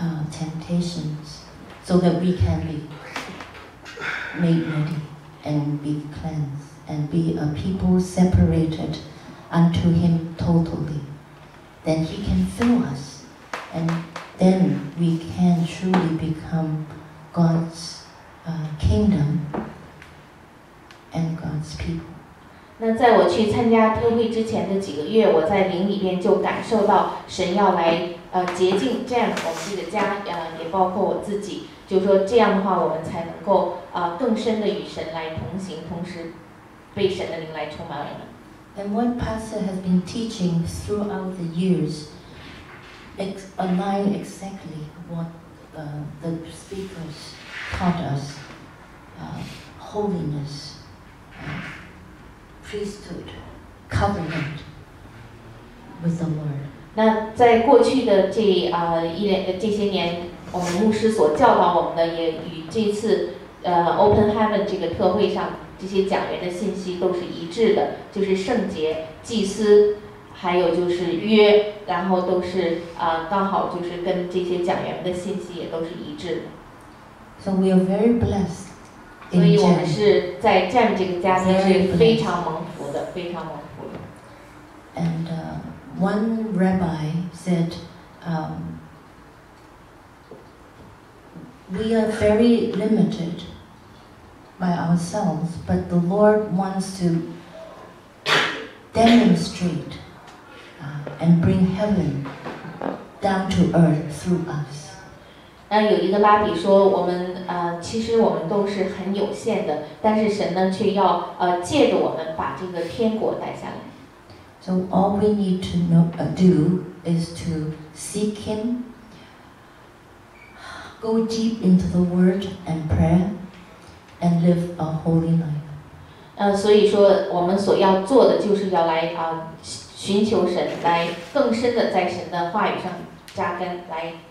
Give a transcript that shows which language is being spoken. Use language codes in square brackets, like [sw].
[en] Temptations so that we can be made ready and be cleansed and be a people separated unto him totally. Then he can fill us and then we can truly become God's kingdom and God's people. [zh] 那在我去参加特会之前的几个月，我在灵里边就感受到神要来洁净这样我们自己的家，也包括我自己。就说这样的话，我们才能够更深的与神来同行，同时被神的灵来充满我们。 [en] And what pastor has been teaching throughout the years, it align exactly what the speakers taught us, holiness. Priesthood, covenant with the Lord. [zh] 那在过去的这这些年，我们牧师所教导我们的，也与这次Open Heaven 这个特会上这些讲员的信息都是一致的，就是圣洁、祭司，还有就是约，然后都是刚好就是跟这些讲员的信息也都是一致的。 [en] So we are very blessed. [zh] 所以我们是在Jam这个家庭是非常蒙福的，非常蒙福的。 [en] And one rabbi said, we are very limited by ourselves, but the Lord wants to demonstrate and bring heaven down to earth through us. [zh] 那有一个拉比说，我们其实我们都是很有限的，但是神呢却要借着我们把这个天国带下来。 [en] So all we need to know, do is to seek Him, go deep into the Word and prayer, and live a holy life. [zh] 所以说我们所要做的就是要来寻求神，来更深的在神的话语上扎根来。